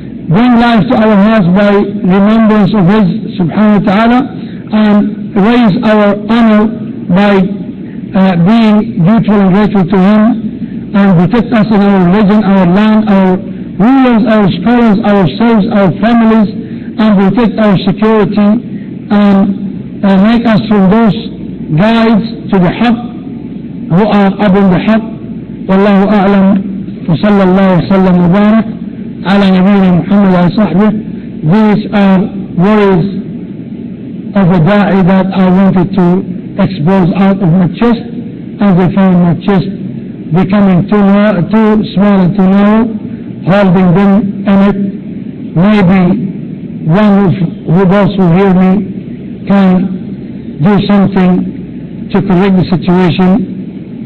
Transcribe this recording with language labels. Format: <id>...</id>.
<en>bring life to our hearts by remembrance of His subhanahu wa ta'ala, and raise our honor by being dutiful and grateful to Him, and protect us in our religion, our land, our rulers, our scholars, ourselves, our families, and protect our security, and make us from those guides to the Haqq, who are upon the Haqq,</en> <ar>والله أعلم، وصلى الله وسلم وبارك على نبينا محمد وصحبه.</ar> <en>These are worries of a da'i that I wanted to expose out of my chest, as I found my chest becoming too small and too narrow, holding them in it. Maybe one of those who hear me can do something to correct the situation.</en>